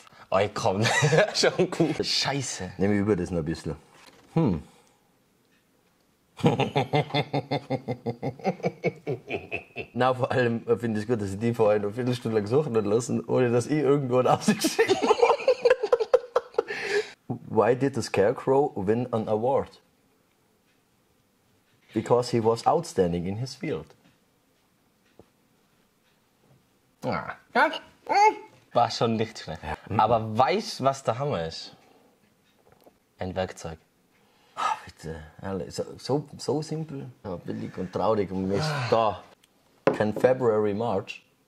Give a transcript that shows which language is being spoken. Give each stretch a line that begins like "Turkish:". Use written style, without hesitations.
German: Oh, komm, schon gut. Scheiße. Nehme ich über das noch ein bisschen. Na, vor allem finde ich es gut, dass sie die vorher eine Viertelstunde lang suchen und lassen, ohne dass ich irgendwo einen Ausgeschickt habe.
English: Why did the Scarecrow win an award? Because he was outstanding in his field.
German: War schon nicht schlecht. Aber weißt, was der Hammer ist? Ein Werkzeug. Ach, bitte, ehrlich, so simpel, aber billig und traurig und Mist.
English: Da. Can February March?